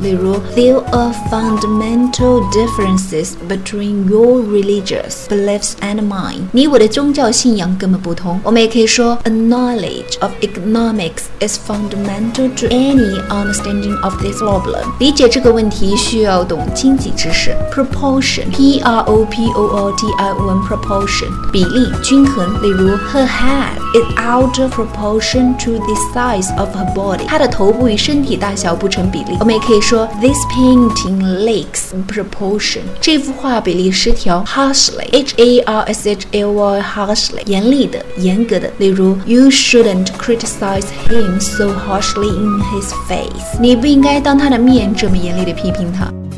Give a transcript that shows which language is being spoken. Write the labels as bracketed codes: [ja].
[en] 比如 There are fundamental differences between your religious beliefs and mine. [zh] 你我的宗教信仰根本不同。我们也可以说 [en] A knowledge of economics is fundamental to any understanding of this problem. [zh] 理解这个问题需要懂经济知识。 Proportion, P-R-O-P-O-R-T-I-O-N, proportion, 比例，均衡。 [en] 例如 Her head is out of proportion to the size of her body. [zh] 她的头部与身体大小不成比例。我们也可以说 [en] This painting lacks proportion. [zh] 这幅画比例失调。 Harshly, H-A-R-S-H-L-Y, harshly, 严厉的，严格的。 [en] 例如 You shouldn't criticize him so harshly in his face. [zh] 你不应该当他的面这么严厉地批评他。